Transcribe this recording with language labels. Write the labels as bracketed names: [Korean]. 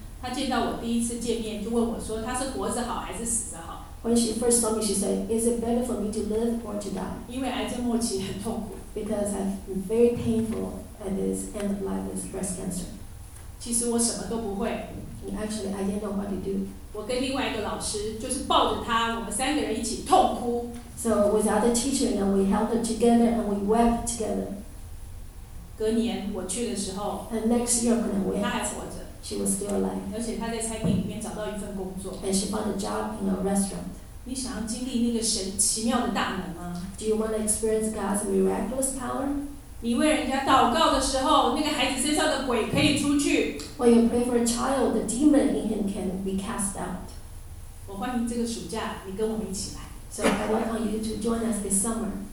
[Chinese] 她见到我第一次见面就问我说，她是活着好还是死着好？ [English] When she first saw me, she said, "Is it better for me to live or to die?" [Chinese] 因为癌症末期很痛苦。 [English] Because I'm very painful at this end of life with breast cancer. [Chinese] 其实我什么都不会。 [English] And actually, I didn't know what to do. [Chinese] 我跟另外一个老师就是抱着他，我们三个人一起痛哭。 [English] So with other teacher, and we held her together and we wept together. [Chinese] 隔年我去的时候 [English] ，And next year when I went, [Chinese] 她还活着。 [English] She was still alive. [Chinese] 而且她在餐厅里面找到一份工作。 [English] And she found a job in a restaurant. [Chinese] 你想要经历那个神奇妙的大能吗 [English] ？Do you want to experience God's miraculous power? [Chinese] 你为人家祷告的时候，那个孩子身上的鬼可以出去。 [English] When you pray for a child, the demon in him can be cast out. [Chinese] 我欢迎这个暑假你跟我们一起来。 [English] So I welcome you to join us this summer.